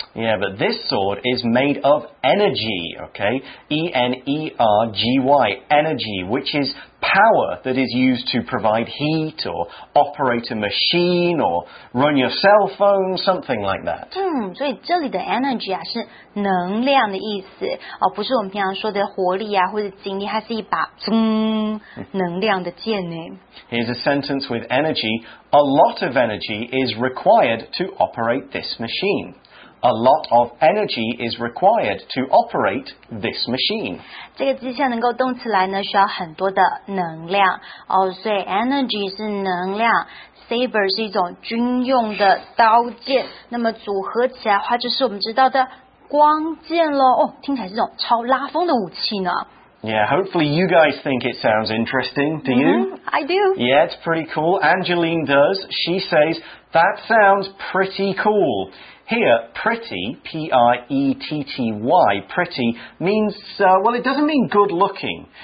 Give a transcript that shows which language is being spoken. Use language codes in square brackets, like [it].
[en] Yeah, but this sword is made of energy, okay? E-N-E-R-G-Y, energy, which is power that is used to provide heat or operate a machine or run your cell phone, something like that. [zh] 所以这里的 energy 啊是能量的意思，不是我们平常说的活力啊或者精力，它是一把能量的剑呢。 [en] Here's a sentence with energy. A lot of energy is required to operate this machine. A lot of energy is required to operate this machine. [zh] 这个机械能够动起来呢，需要很多的能量。所以 energy 是能量， saber 是一种军用的刀剑。那么组合起来的话，就是我们知道的光剑咯。听起来是一种超拉风的武器呢。 [en] Yeah, hopefully you guys think it sounds interesting. Do you? I do. Yeah, it's pretty cool. Angeline does. She says, that sounds pretty cool. Here, pretty, P-R-E-T-T-Y, pretty, means, it doesn't mean good looking.